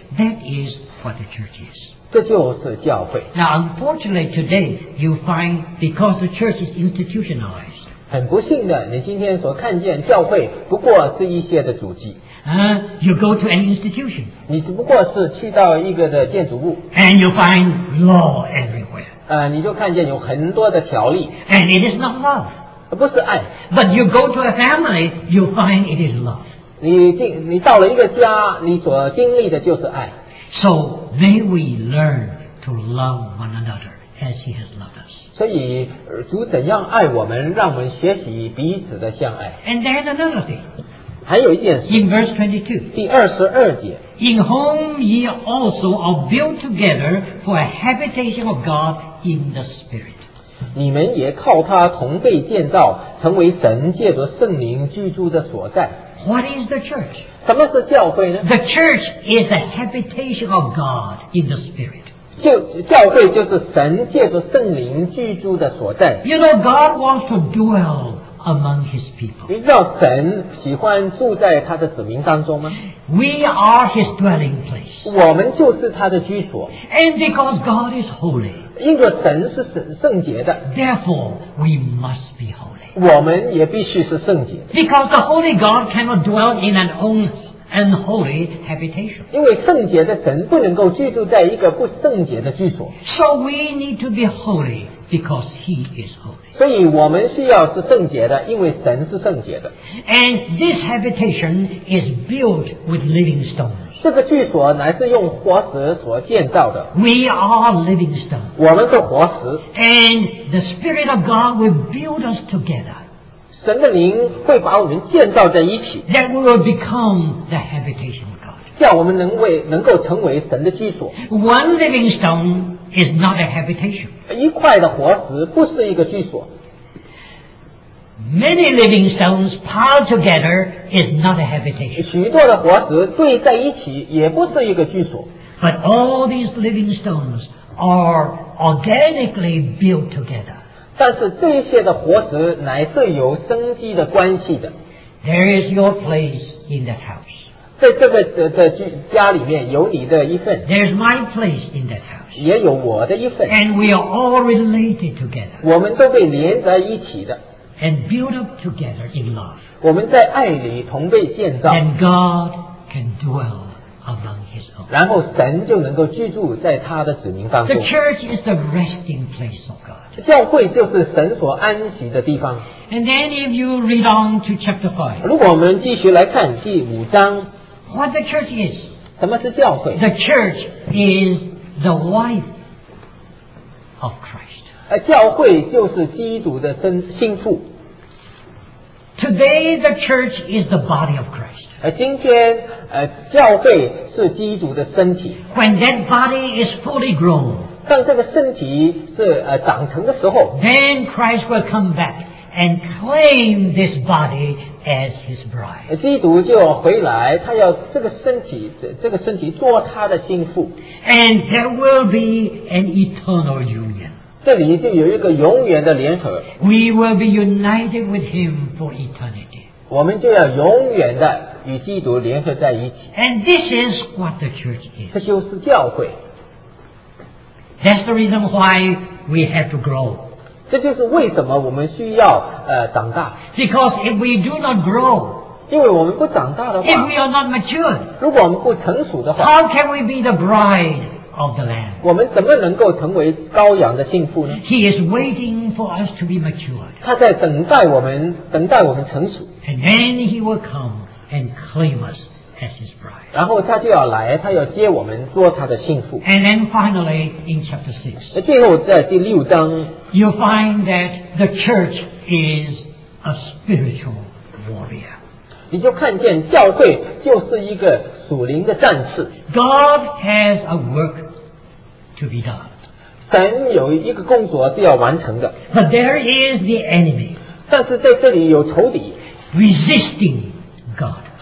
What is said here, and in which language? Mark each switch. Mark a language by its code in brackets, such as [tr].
[en] That is what the church is. [zh] 这就是教会。 [en] Now, unfortunately, today you find because the church is institutionalized. [zh] 很不幸的，你今天所看见教会不过是一些的组织。 [en] You go to an institution. [zh] 你只不过是去到一个的建筑物。 [en] And you find law everywhere. [zh] 你就看见有很多的条例。 [en] And it is not love. [zh] 不是爱。 [en] But you go to a family, you find it is love. [zh] 你到了一个家，你所经历的就是爱。 [en] So may we learn to love one another as He has loved us. [zh] 所以主怎样爱我们，让我们学习彼此的相爱。 [en] And there's another thing. [zh] 还有一件事 [en] In verse 22, [zh] 第二十二节 [en] In whom ye also are built together for a habitation of God in the Spirit. [zh] 你们也靠他同被建造，成为神借着圣灵居住的所在。 [en] What is the church? [zh] 什么是教会呢？ [en] The church is a habitation of God in the Spirit. [zh] 教会就是神借着圣灵居住的所在。 [en] You know, God wants to dwell among His people. [zh] 你知道神喜欢住在他的子民当中吗？ [en] We are His dwelling place. [zh] 我们就是他的居所。 [en] And because God is holy. [zh] 因为神是圣洁的。 [en] Therefore, we must be holy. [zh] 我们也必须是圣洁。 [en] Because the holy God cannot dwell in an own place. And holy habitation. [zh] 因为圣洁的神不能够居住在一个不圣洁的居所。 [en] So we need to be holy because He is holy. [zh] 所以我们需要是圣洁的，因为神是圣洁的。 [en] And this habitation is built with living stones. [zh] 这个居所乃是用活石所建造的。 [en] We are living stones. [zh] 我们是活石。 [en] And the Spirit of God will build us together. [zh] 神的灵会把我们建造在一起 [en] That we will become the habitation of God. [zh] 叫我们能够成为神的居所 [en] One living stone is not a habitation. [zh] 一块的活石不是一个居所 [en] Many living stones piled together is not a habitation. [zh] 许多的活石堆在一起也不是一个居所 [en] But all these living stones are organically built together. [zh] 但是这些的活石乃是有生机的关系的。 [en] There is your place in that house. [zh] 在这个的家里面有你的一份。 [en] There's my place in that house. [zh] 也有我的一份。 [en] And we are all related together. [zh] 我们都被连在一起的。 [en] And built up together in love. [zh] 我们在爱里同被建造。 [en] And God can dwell among His own. [zh] 然后神就能够居住在他的子民当中。 [en] The church is the resting place of God. [zh] 教会就是神所安息的地方。 [en] And then if you read on to chapter 5, [zh] 如果我们继续来看第五章 [en] What the church is? [zh] 什么是教会 [en] The church is the wife of Christ. [zh] 教会就是基督的心腹。 [en] Today the church is the body of Christ. [zh] 今天教会是基督的身体。 [en] When that body is fully grown, [zh] 当这个身体是长成的时候 [en] Then Christ will come back and claim this body as his bride. [zh] 基督就回来他要这个身体做他的心腹 [en] And there will be an eternal union. [zh] 这里就有一个永远的联合 [en] We will be united with him for eternity. [zh] 我们就要永远的与基督联合在一起 [en] And this is what the church is. [zh] 这就是教会 [en] That's the reason why we have to grow. [zh] 这就是为什么我们需要长大。 [en] Because if we do not grow, [zh] 因为我们不长大的话 [en] if we are not matured, [zh] 如果我们不成熟的话 [en] how can we be the bride of the Lamb? [zh] 我们怎么能够成为羔羊的信徒呢？ [en] He is waiting for us to be matured. [zh] 他在等待我们，等待我们成熟。 [en] And then he will come and claim us as his bride. [zh] 然后他就要来，他要接我们做他的信徒。 [en] And then finally in chapter 6. [zh] 最后在第六章 [en] you find that the church is a spiritual warrior. [zh] 你就看见教会就是一个属灵的战士。 [en] God has a work to be done. [zh] 神有一个工作是要完成的。 [en] But there is the enemy. [zh] 但是在这里有仇敌。 [en] Resisting God.